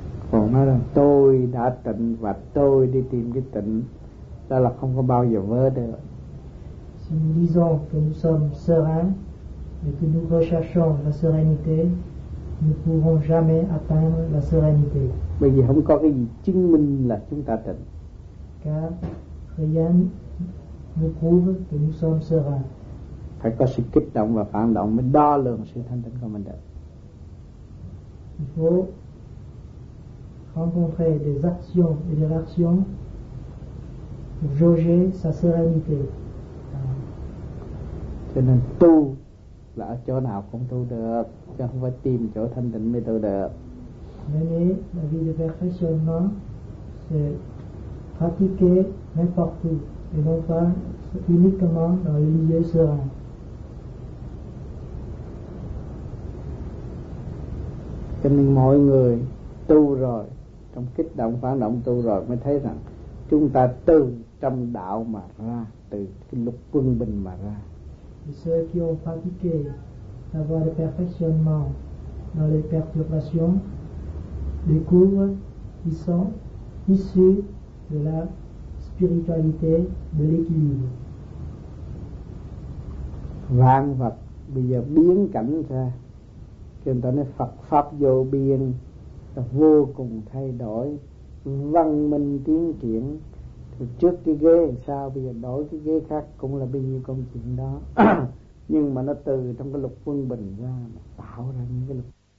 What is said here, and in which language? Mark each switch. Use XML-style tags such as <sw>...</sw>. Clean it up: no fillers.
<vi>Còn nói rằng tôi đã tịnh và tôi đi tìm cái tịnh, đó là không có bao giờ vỡ được.</vi> <fr>Si nous disons que nous sommes sereins et que nous recherchons la sérénité, nous ne pourrons jamais atteindre la sérénité.</fr> <vi>Bởi vì không có cái gì chứng minh là chúng ta tịnh.</vi> <fr>Car rien ne prouve que nous sommes sereins.</fr> <vi>Phải có sự kích động và phản động mới đo lường sự thanh tịnh của mình được.</vi> <fr>Il faut rencontrer des actions et des réactions pour jauger sa sérénité.</fr> <vi>Cho nên tu là ở chỗ nào cũng tu được, chứ không phải tìm chỗ thanh tịnh mới tu được.</vi> <fr>Mener la vie de perfectionnement, c'est pratiquer n'importe où, et non pas uniquement dans les lieux sereins.</fr> <vi>Cho nên mọi người tu rồi, trong kích động phản động tu rồi mới thấy rằng chúng ta từ trong đạo mà ra, từ cái lúc quân bình mà ra.</vi> <fr>Et ceux qui ont pratiqué d'avoir le perfectionnement dans les perturbations découvrent qu'ils sont issus de la spiritualité de l'équilibre.</fr> <vi>Vạn vật bây giờ biến cảnh ra, chúng ta nói Phật pháp vô biên, vô cùng thay đổi, văn minh tiến triển. Trước cái ghế sao bây giờ đổi cái ghế khác cũng là bao nhiêu công chuyện đó. Nhưng mà nó từ trong cái lục quân bình ra mà tạo ra những cái lục.</vi>